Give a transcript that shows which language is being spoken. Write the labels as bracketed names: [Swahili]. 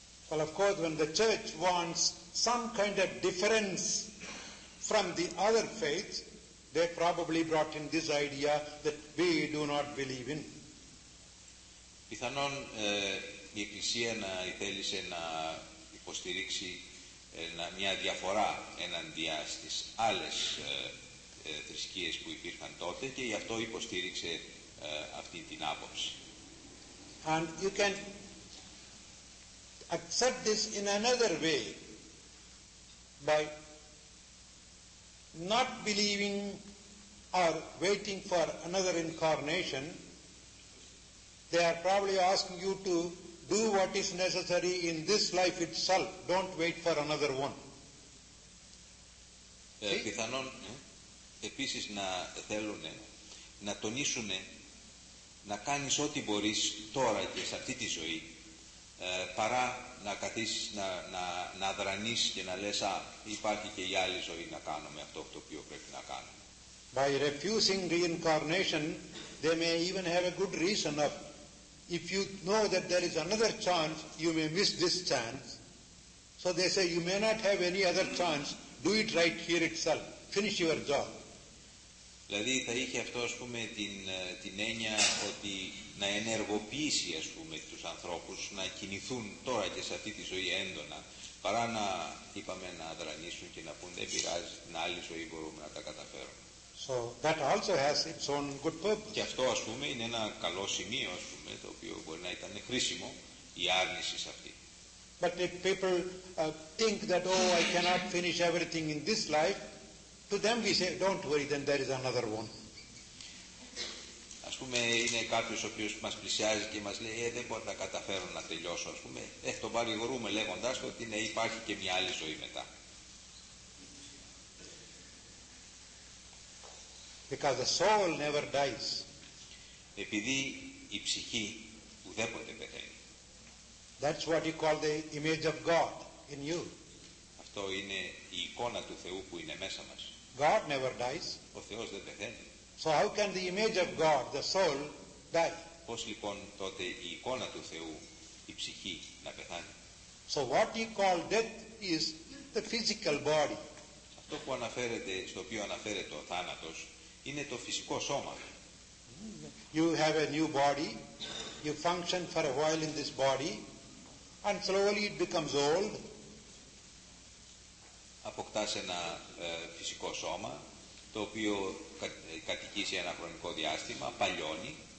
[English] Well, of course, when the church wants some kind of difference from the other faiths, they probably brought in this idea that we do not believe in. [Greek] Πιθανόν η Εκκλησία να ήθελε να υποστηρίξει μια διαφορά έναντι στις άλλες θρησκείες που υπήρχαν τότε και γι' αυτό υποστήριξε αυτή την άποψη. [English] And you can accept this in another way by not believing or waiting for another incarnation. They are probably asking you to Do what is necessary in this life itself. Don't wait for another one. [Greek] Πιθανόν επίσης να θέλουν να τονίσουν να κάνεις ό,τι μπορείς τώρα και σε αυτή τη ζωή παρά να καθίσεις να αδρανείς και να λες υπάρχει και η άλλη ζωή να κάνουμε αυτό το οποίο πρέπει να κάνουμε. [English] By refusing reincarnation, they may even have a good reason of if you know that there is another chance, you may miss this chance. So they say you may not have any other chance. Do it right here itself. Finish your job. [Greek] Δηλαδή θα είχε αυτό, ας πούμε, την έννοια ότι να ενεργοποιήσει, ας πούμε, τους ανθρώπους να κινηθούν τώρα και σε αυτή τη ζωή έντονα, παρά να, είπαμε, να αδρανήσουν και να πούν δεν πειράζει, την άλλη ζωή μπορούμε να τα καταφέρουμε. [English] So that also has its own good purpose. [Greek] Και αυτό, ας πούμε, είναι ένα καλό σημείο, ας πούμε, το οποίο μπορεί να ήταν χρήσιμο η άρνηση σε αυτή. [English] But if people think that, oh, I cannot finish everything in this life, to them we say, don't worry, then there is another one. [Greek] Ας πούμε, είναι κάποιος ο οποίος μας πλησιάζει και μας λέει, δεν μπορώ να καταφέρω να τελειώσω, ας πούμε. Το παρηγορούμε λέγοντάς το ότι υπάρχει και μια άλλη ζωή μετά. [English] Because the soul never dies. [Greek] Επειδή η ψυχή ουδέποτε πεθαίνει. [English] That's what you call the image of God in you. [Greek] Αυτό είναι η εικόνα του Θεού που είναι μέσα μας. [English] God never dies. [Greek] Ο Θεός δεν πεθαίνει. [English] So how can the image of God, the soul, die? [Greek] Πώς λοιπόν τότε η εικόνα του Θεού, η ψυχή, να πεθάνει? [English] So what you call death is the physical body. [Greek] Αυτό που αναφέρεται, στο οποίο αναφέρεται ο θάνατος, είναι το φυσικό σώμα. [English] You have a new body. You function for a while in this body. And slowly it becomes old. [Greek] Αποκτάς ένα φυσικό σώμα το οποίο κατοικεί σε ένα χρονικό διάστημα, παλιώνει.